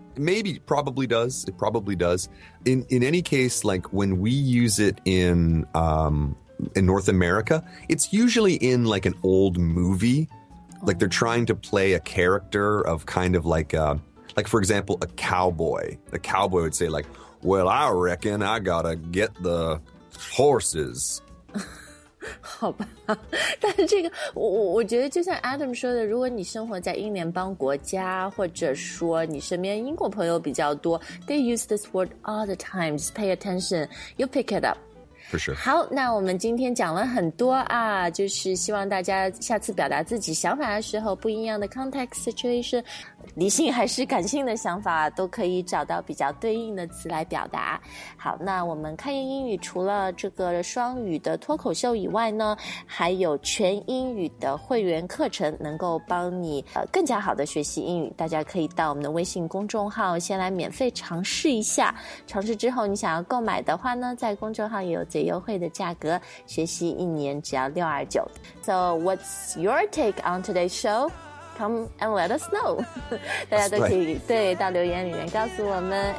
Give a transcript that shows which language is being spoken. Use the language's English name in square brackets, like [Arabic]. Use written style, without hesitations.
[English] maybe probably does it probably does in any case like when we use it in North America it's usually in like an old movieLike, they're trying to play a character of kind of like, a, like for example, a cowboy. The cowboy would say, like, well, I reckon I gotta get the horses. [Chinese] 好吧。但这个 我觉得就像 Adam 说的，如果你生活在英联邦国家，或者说你身边英国朋友比较多， [English] they use this word all the time. Just pay attention. You'll pick it up. For sure. [Chinese] 好，那我们今天讲了很多啊，就是希望大家下次表达自己想法的时候，不一样的 context situation， 理性还是感性的想法，都可以找到比较对应的词来表达。好，那我们开言英语除了这个双语的脱口秀以外呢，还有全英语的会员课程，能够帮你更加好的学习英语。大家可以到我们的微信公众号先来免费尝试一下，尝试之后你想要购买的话呢，在公众号也有最优惠的价格，学习一年只要629。 [English] So what's your take on today's show? Come and let us know. [Chinese] 大家都可以对到留言里面告诉我们。